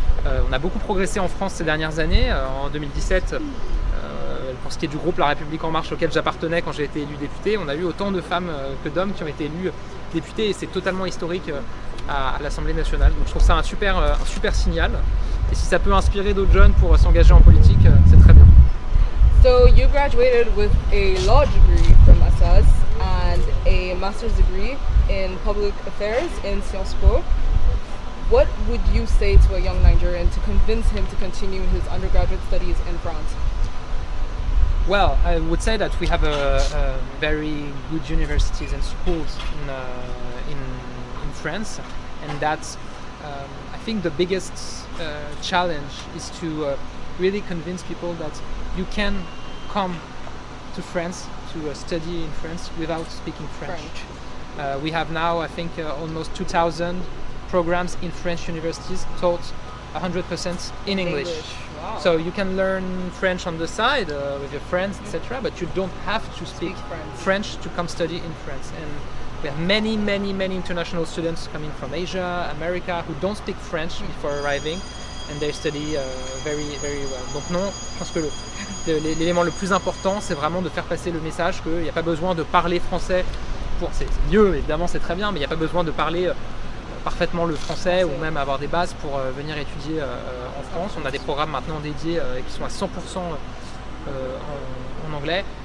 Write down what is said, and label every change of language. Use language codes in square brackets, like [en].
[fr] On a beaucoup progressé en France ces dernières années. En 2017, pour ce qui est du groupe La République En Marche auquel j'appartenais quand j'ai été élu député, on a eu autant de femmes que d'hommes qui ont été élus députés, et c'est totalement historique à l'Assemblée nationale. Donc je trouve ça un super signal. Et si ça peut inspirer d'autres jeunes pour s'engager en politique, c'est très bien. [en] So you graduated with a law degree from ESSAS and a master's degree in public affairs in Sciences Po. What would you say to a young Nigerian to convince him to continue his undergraduate studies in France? Well, I would say that we have a very good universities and schools in France, and that I think the biggest challenge is to really convince people that you can come to France to study in France without speaking French. We have now, I think, almost 2,000 programs in French universities taught 100% in English. Wow. So you can learn French on the side with your friends, etc. But you don't have to speak French to come study in France. And we have many, many, many international students coming from Asia, America, who don't speak French before arriving, and they study very, very well. [fr] Donc non, je pense que l'élément le plus important, c'est vraiment de faire passer le message qu'il n'y a pas besoin de parler français. C'est mieux, évidemment, c'est très bien, mais il n'y a pas besoin de parler parfaitement le français ou même avoir des bases pour venir étudier en France. On a des programmes maintenant dédiés qui sont à 100% en anglais.